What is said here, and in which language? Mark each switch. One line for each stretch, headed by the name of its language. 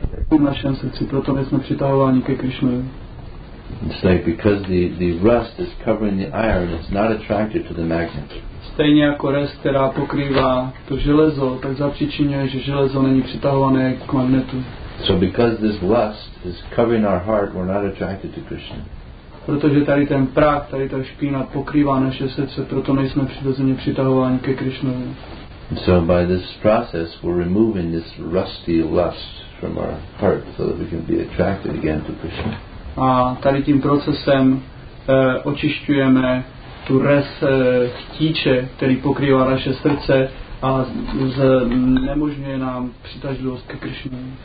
Czech: v našem srdci, proto my jsme přitahováni ke Krišnovi.
English: It's like because the rust is covering the iron, it's not attracted to the magnet.
Czech: Stejně jako rest, která pokrývá to železo, tak zapříčinuje, že železo není přitahované k magnetu.
English: So because this rust is covering our heart, we're not attracted to Krishna.
Czech: Protože tady ten prach, tady ta špína pokrývá naše srdce, proto nejsme přirozeně přitahováni ke Krišnovi.
English: So by this process we're removing this rusty lust from our heart so that we can be attracted again to Krishna.
Czech: A tady tím procesem očišťujeme tu res chtíče, který pokrývá naše srdce a znemožňuje nám přitažlivost ke Krišně.